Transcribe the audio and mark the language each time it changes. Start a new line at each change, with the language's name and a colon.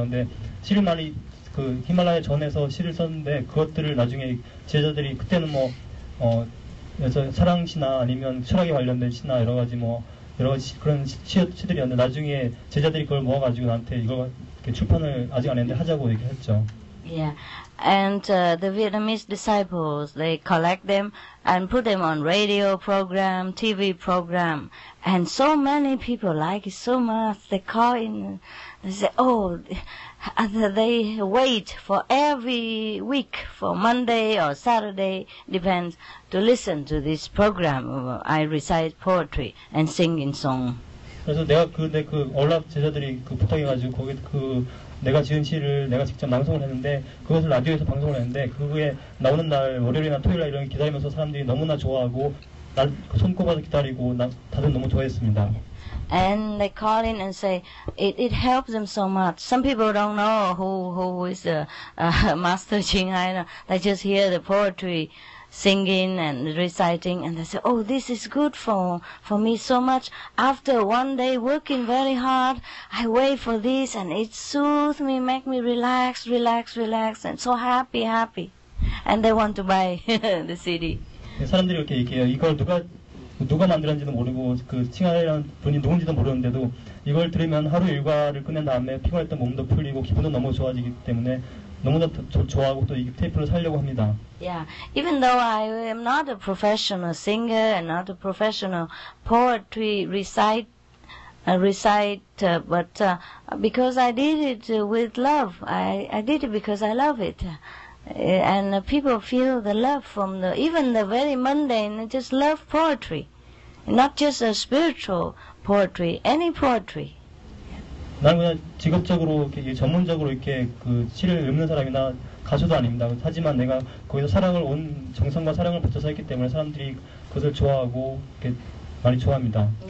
Korean: 근데 시를 많이 그 히말라야 전에서 시를 썼는데 그것들을 나중에 제자들이 그때는 뭐 그래서 사랑 시나 아니면 철학에 관련된 시나 여러 가지 뭐 여러 가지 그런 시들이었는데 나중에 제자들이 그걸 모아가지고 나한테 이거 출판을 아직 안 했는데 하자고 얘기했죠.
English: Yeah, and the Vietnamese disciples, they collect them and put them on radio program, TV program, and so many people like it so much. They call in, they say, oh. And they wait for every week, for Monday or Saturday, depends, to listen to this program. I recite poetry and sing in song.
Korean: 그래서 내가 그 올라프 제자들이 그 부탁해가지고 거기 그 내가 지은 시를 내가 직접 방송을 했는데 그것을 라디오에서 방송을 했는데 그게 나오는 날 월요일이나 토요일이나 이런 기다리면서 사람들이 너무나 좋아하고 날 손꼽아서 기다리고 다들 너무 좋아했습니다.
English: And they call in and say, it helps them so much. Some people don't know who is Master Ching Hai. They just hear the poetry singing and reciting, and they say, oh, this is good for me so much. After one day working very hard, I wait for this, and it soothes me, make me relax, relax, relax, and so happy, happy. And they want to buy the CD.
Korean: 사람들이 이렇게 얘기해요. 이걸 누가 만들었는지도 모르고 그 칭하이라는 분이 누군지도 모르는데도 이걸 들으면 하루 일과를 끝낸 다음에 피곤했던 몸도 풀리고 기분도 너무 좋아지기 때문에 너무나 좋아하고 또 이 테이프를 살려고 합니다.
English: Yeah, even though I am not a professional singer and not a professional poetry reciter, but because I did it with love, I did it because I love it. And people feel the love from even the very mundane, just love poetry. Not just a spiritual poetry, any poetry.
Korean: 나는 그냥 직업적으로, 전문적으로 이렇게 그 시를 읽는 사람이나 가수도 아닙니다. 하지만 내가 거기서 사랑을 온 정성과 사랑을 붙여서 했기 때문에 사람들이 그것을 좋아하고 이렇게 많이 좋아합니다.